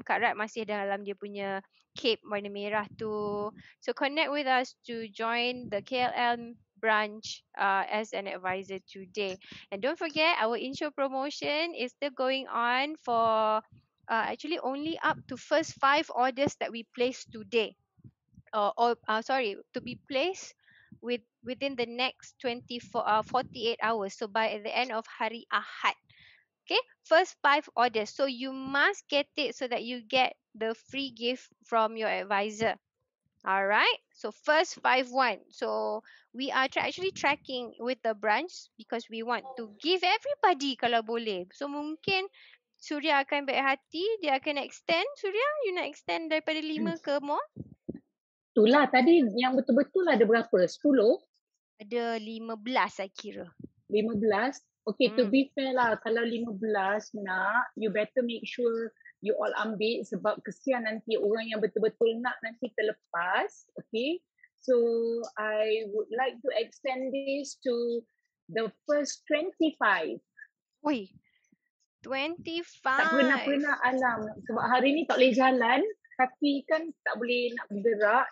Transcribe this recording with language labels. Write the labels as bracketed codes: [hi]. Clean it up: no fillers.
[ms] Kak Rat masih dalam dia punya cape warna merah tu. [en] So connect with us to join the KLM branch as an advisor today. And don't forget, our intro promotion is still going on for actually only up to first 5 orders that we place today. To be placed within the next 48 hours. So by the end of Hari Ahad. Okay, first 5 orders. So you must get it so that you get the free gift from your advisor. All right. So first 5-1. So we are actually tracking with the branch because we want to give everybody [ms] kalau boleh. So mungkin Surya akan baik hati, dia akan extend. Surya, you nak extend daripada 5 ke more? Itulah, tadi yang betul-betul ada berapa? 10? Ada 15, saya kira. 15? [en] Okay, to be fair lah, [ms] kalau 15 nak, [en] you better make sure you all [ms] ambil sebab kesian nanti orang yang betul-betul nak nanti terlepas. [en] Okay, so I would like to extend this to the first 25. Wuih. 25. [ms] Tak pernah-pernah alam. Sebab hari ni tak boleh jalan. Kaki kan tak boleh nak bergerak.